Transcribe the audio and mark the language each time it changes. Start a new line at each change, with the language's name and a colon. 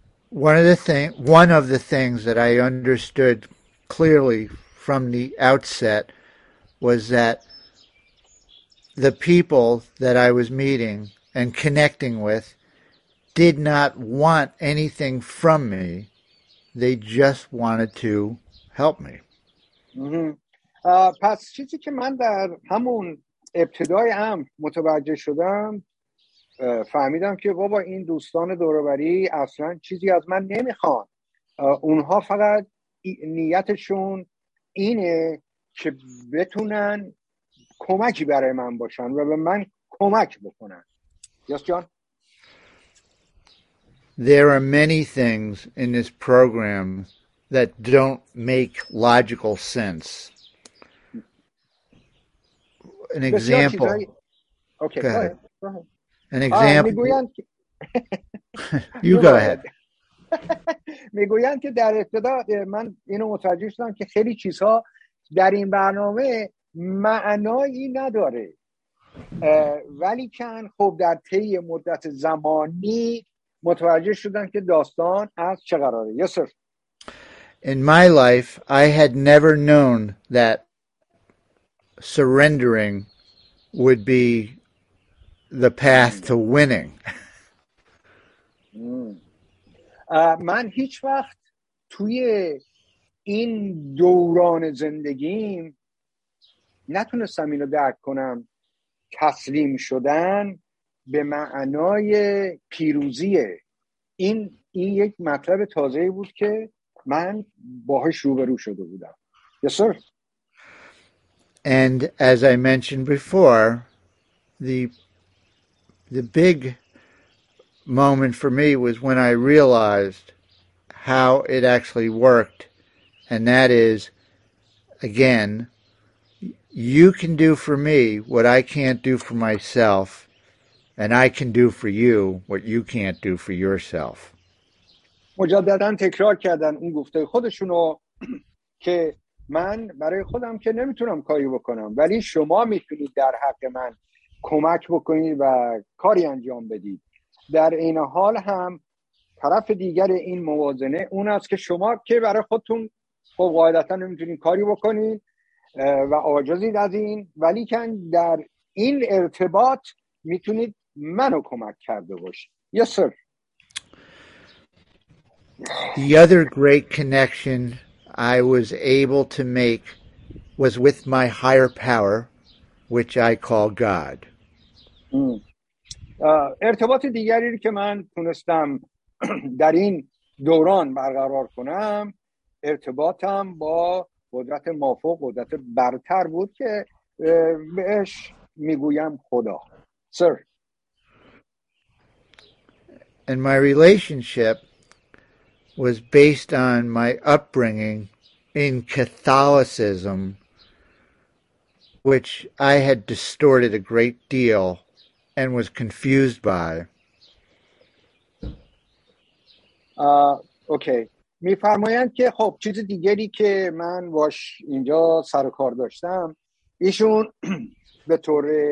English: One of the things that I understood clearly from the outset was that the people that I was meeting and connecting with did not want anything from me. They just wanted to help me. Mm-hmm.
Persian: پس چیزی که من در همون ابتدای هم متوجه شدم، فهمیدم که بابا این دوستان دوروبری اصلا چیزی از من نمیخوان. اونها فقط نیتشون اینه که بتونن کمکی برای من باشن و به من کمک بکنن.
English: Yes, John? There are many things in this program that don't make logical sense. An example. Okay, go ahead. An example.
Persian: میگویند
English: You go ahead.
Persian: میگویند که در ابتدا من اینو متوجه شدم که خیلی چیزها در این برنامه معنایی نداره. ولی که خب در طی مدت زمانی متوجه شدن که داستان از چه قراره.
English: Yes, sir. In my life, I had never known that surrendering would be the path to winning.
Persian: من هیچ وقت توی این دوران زندگیم نتونستم اینو درک کنم. تسلیم شدن به معنای پیروزیه. این یک مطلب تازه‌ای بود که من باهاش روبرو شده بودم.
English: Yes, sir. And as I mentioned before, the big moment for me was when I realized how it actually worked, and that is, again, you can do for me what I can't do for myself, and I can do for you what you can't do for yourself.
Persian: مجدداً تکرار کردن اون گفته خودشونو که من برای خودم که نمیتونم کاری بکنم، ولی شما میتونید در حق من کمک بکنید و کاری انجام بدید. در این حال هم طرف دیگر این موازنه اون است که شما که برای خودتون خب قاعدتاً نمیتونید کاری بکنید و عاجزید از این، ولی که در این ارتباط میتونید منو کمک کرده باشید.
English: Yes, sir. The other great connection I was able to make was with my higher power, which I call God.
Persian: ارتباط دیگری که من تونستم در این دوران برقرار کنم، ارتباطم با قدرت مافوق، قدرت برتر بود که بهش میگویم خدا.
English: Sir. And my relationship was based on my upbringing in Catholicism, which I had distorted a great deal and was confused by. Okay.
Persian: می فرمایند که خب چیز دیگری که من باش اینجا سر و کار داشتم، ایشون به طور